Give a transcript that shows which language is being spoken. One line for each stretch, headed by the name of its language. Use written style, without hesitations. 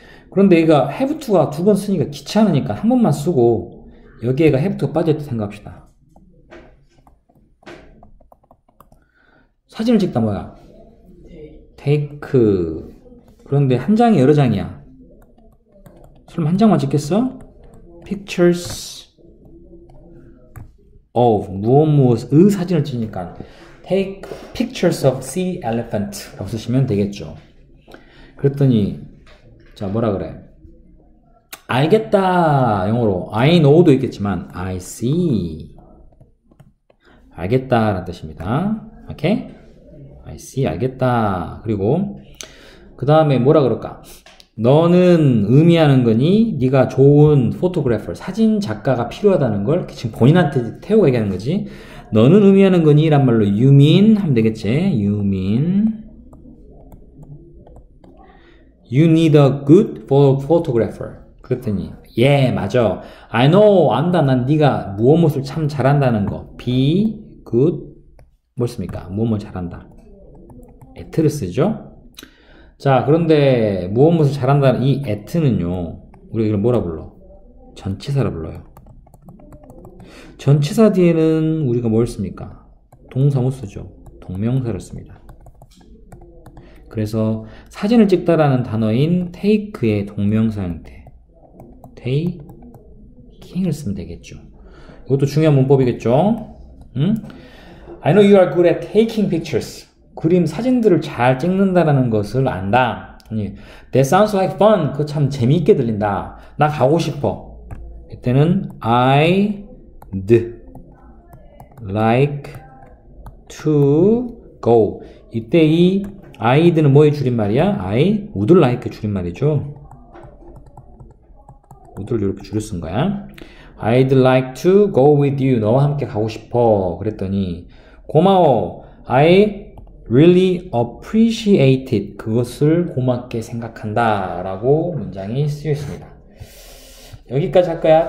Korean: 그런데 얘가 have to가 두번 쓰니까 귀찮으니까 한 번만 쓰고 여기에가 have to가 빠졌다 생각합시다. 사진을 찍다 뭐야? take. 그런데 한 장이 여러 장이야? 설마 한 장만 찍겠어?
English: pictures of
Korean: 무엇무엇의 사진을 찍으니까
English: take pictures of sea elephant
Korean: 라고 쓰시면 되겠죠. 그랬더니 자 뭐라 그래? 알겠다, 영어로.
English: I know도
Korean: 있겠지만,
English: I see.
Korean: 알겠다, 라는 뜻입니다. 오케이?
English: I see,
Korean: 알겠다. 그리고, 그 다음에 뭐라 그럴까? 너는 의미하는 거니? 네가 좋은 포토그래퍼, 사진 작가가 필요하다는 걸 지금 본인한테 태우고 얘기하는 거지? 너는 의미하는 거니? 란 말로,
English: you mean?
Korean: 하면 되겠지?
English: you mean. you need a good photographer.
Korean: 그랬더니 예 맞아
English: I know
Korean: 안다 난 네가 무엇을 참 잘한다는 거 be good 뭐였습니까 무엇을 잘한다 at를 쓰죠 자 그런데 무엇을 잘한다는 이 at는요 우리가 이걸 뭐라 불러 전치사라 불러요 전치사 뒤에는 우리가 뭐였습니까 동사 못 쓰죠 동명사를 씁니다 그래서 사진을 찍다라는 단어인 take의 동명사 형태 Taking을 쓰면 되겠죠. 이것도 중요한 문법이겠죠. 응?
English: I know you are good at taking pictures.
Korean: 그림 사진들을 잘 찍는다라는 것을 안다.
English: That sounds like fun.
Korean: 그거 참 재미있게 들린다. 나 가고 싶어. 이때는
English: I'd like to go.
Korean: 이때 이 I'd는 뭐의 줄임말이야?
English: I would like
Korean: 줄임말이죠. 우드를 이렇게 줄여 쓴 거야.
English: I'd like to go with you.
Korean: 너와 함께 가고 싶어.
English: 그랬더니 고마워. I really appreciate it.
Korean: 그것을 고맙게 생각한다. 라고 문장이 쓰여 있습니다. 여기까지 할 거야.